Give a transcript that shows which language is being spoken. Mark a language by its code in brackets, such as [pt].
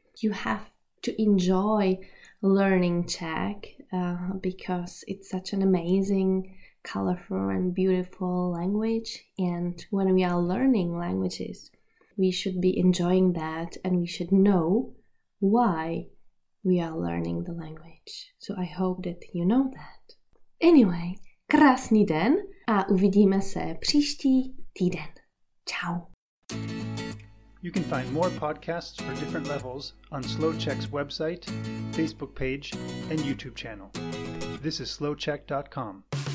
[en] You have to enjoy learning Czech because it's such an amazing, colorful and beautiful language. And when we are learning languages, we should be enjoying that and we should know why we are learning the language. So I hope that you know that. Anyway, [cs] krásný den a uvidíme se příští týden. [it] Ciao. [en] You can find more podcasts for different levels on Slow Czech's website, Facebook page, and YouTube channel. This is slowcheck.com.